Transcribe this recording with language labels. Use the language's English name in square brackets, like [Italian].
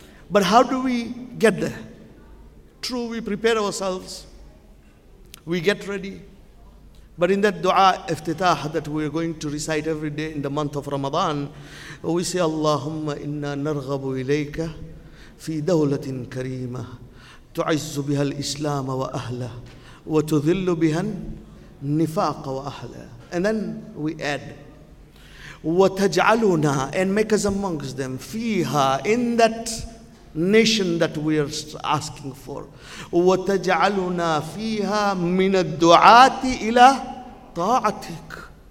[English] But how do we get there? True, we prepare ourselves, we get ready. But in that dua, iftitah, that we're going to recite every day in the month of Ramadan, we say, [Arabic] Allahumma inna narghabu ilayka fi dawlatin kareema. تعز بها الإسلام وأهله وتذل بها النفاق وأهله. [English] And then we add وتجعلنا, and make us amongst them, فيها, in that nation that we are asking for, [Arabic] وتجعلنا فيها من الدعاة إلى طاعتك.